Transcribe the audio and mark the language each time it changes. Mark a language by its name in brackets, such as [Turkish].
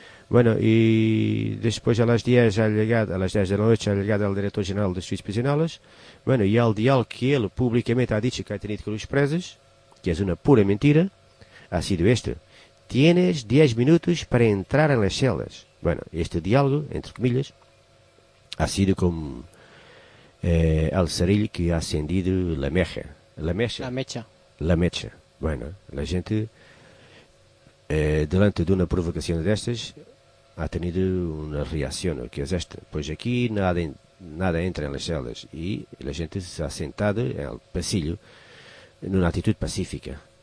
[Portuguese] Bueno, e depois, às 10 da noite, é ligado ao diretor-geral das Justiças Prisionais. Bueno, e ao diálogo que ele publicamente [Spanish] ha dicho que ha tenido [Portuguese] com os presos, que é uma pura mentira, ha sido este: [Spanish] tienes 10 minutos para entrar [Portuguese] nas celdas. [Spanish] Bueno, este diálogo, entre comillas, ha sido como el cerillo que ha acendido la mecha. [Portuguese] Bueno, a gente, delante de uma provocação destas, [Spanish] ha tenido [Portuguese] uma reação, que é esta: pois aqui nada entra nas celdas. E a gente [Spanish] se ha sentado [Portuguese] no pasillo, numa atitude pacífica.